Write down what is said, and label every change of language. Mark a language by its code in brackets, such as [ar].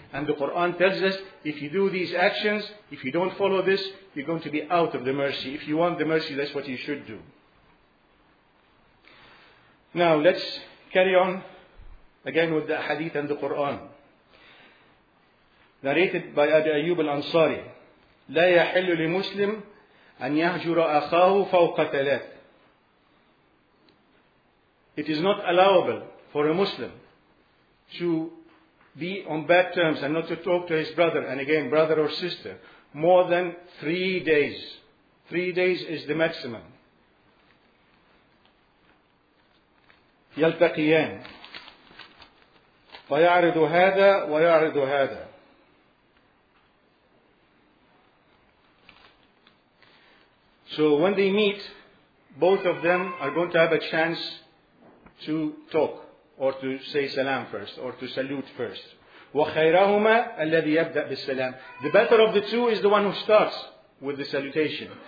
[en] And the Quran tells us, if you do these actions, if you don't follow this, you're going to be out of the mercy. If you want the mercy, that's what you should do. Now, let's carry on again with the hadith and the Quran. Narrated by Abi Ayyub al-Ansari. [ar] لا يحل لمسلم أن يهجر أخاه فوق ثلاث. [en] It is not allowable for a Muslim to be on bad terms and not to talk to his brother, and again, brother or sister, more than 3 days. 3 days is the maximum. [ar] يلتقيان فيعرض هذا ويعرض هذا. [en] So when they meet, both of them are going to have a chance to talk, or to say salam first, or to salute first. [ar] وَخَيْرَهُمَا الَّذِي يَبْدَأ بِالسَّلَامِ. [en] The better of the two is the one who starts with the salutation.